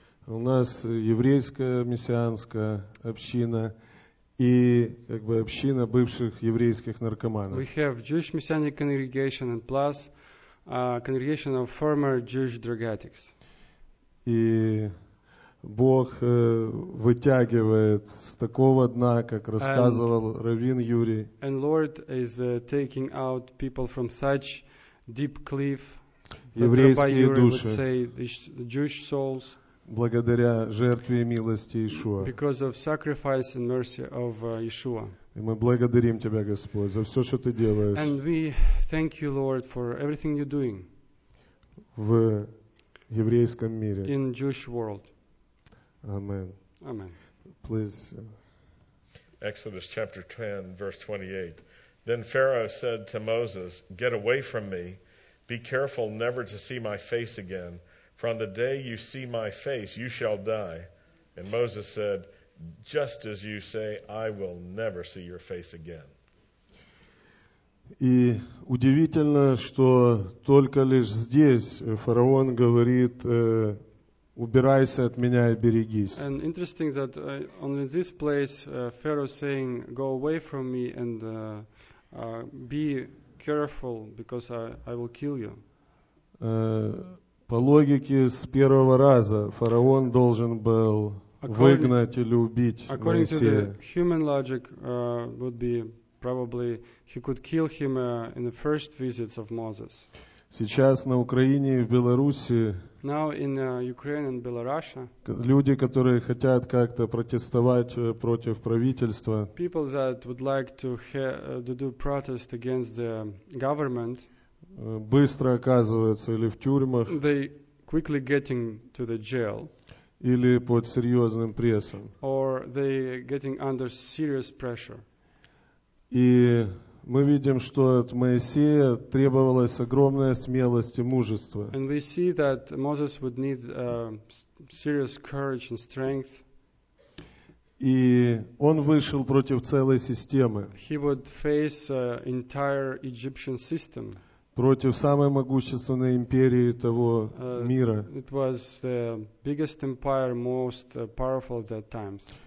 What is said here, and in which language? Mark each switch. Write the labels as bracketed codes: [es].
[ru] У нас еврейская мессианская община и как бы община бывших еврейских наркоманов. [en] We have Jewish messianic congregation and plus congregation of former Jewish drug addicts. [ru] И Бог вытягивает с такого дна, как рассказывал Раввин Юрий. [en] And Lord is taking out people from such deep cliff. [ru] Еврейские души. [en] Say, Jewish souls. [ru] Благодаря жертве и милости Иешуа. [en] Because of sacrifice and mercy of Yeshua. [ru] И мы благодарим Тебя, Господь, за все, что Ты делаешь. [en] And we thank you, Lord, for everything you're doing. [ru] В еврейском мире. [en] In Jewish world. Amen. Amen. Please. Exodus chapter 10, verse 28. Then Pharaoh said to Moses, "Get away from me. Be careful never to see my face again. From the day you see my face, you shall die." And Moses said, "Just as you say, I will never see your face again." [ru] И удивительно, что только лишь здесь фараон говорит, убирайся от меня и берегись. [en] And interesting that only this place Pharaoh saying, "Go away from me and be careful because I will kill you." [ru] По логике, с первого раза фараон должен был выгнать или убить Моисея. [en] According to the human logic, would be probably he could kill him in the first visits of Moses. [ru] Сейчас на Украине и в Беларуси [en] now in Ukraine and Belarusia, [ru] люди, которые хотят как-то протестовать против правительства, [en] people that would like to to do protest against the government, [ru] быстро оказываются или в тюрьмах, [en] they quickly getting to the jail, [ru] или под серьезным прессом. [en] Or they getting under serious pressure. [ru] И мы видим, что от Моисея требовалось огромная смелость и мужество. [en] And we see that Moses would need serious courage and strength. [ru] И он вышел против целой системы. [en] He would face entire Egyptian system. [ru] Против самой могущественной империи того мира. [en] It was the biggest empire, most powerful at that times.